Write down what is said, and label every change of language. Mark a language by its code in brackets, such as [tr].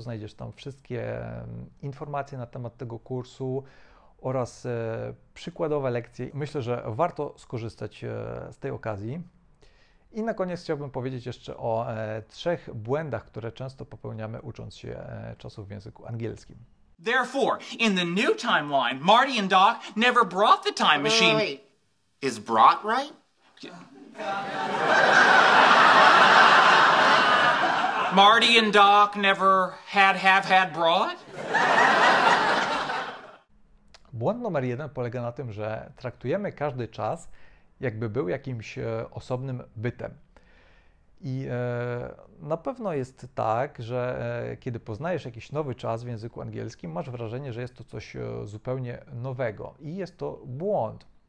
[pl] Znajdziesz tam wszystkie informacje na temat tego kursu oraz przykładowe lekcje. Myślę, że warto skorzystać z tej okazji. I na koniec chciałbym powiedzieć jeszcze o trzech błędach, które często popełniamy ucząc się czasów w języku angielskim. [en] Therefore, in the new timeline, Marty and Doc never brought the time machine. Wait. Is brought right? Marty and Doc never had have had brought? [pl] Błąd numer jeden polega na tym, że traktujemy każdy czas, jakby był jakimś osobnym bytem. I na pewno jest tak, że kiedy poznajesz jakiś nowy czas w języku angielskim, masz wrażenie, że jest to coś zupełnie nowego i jest to błąd.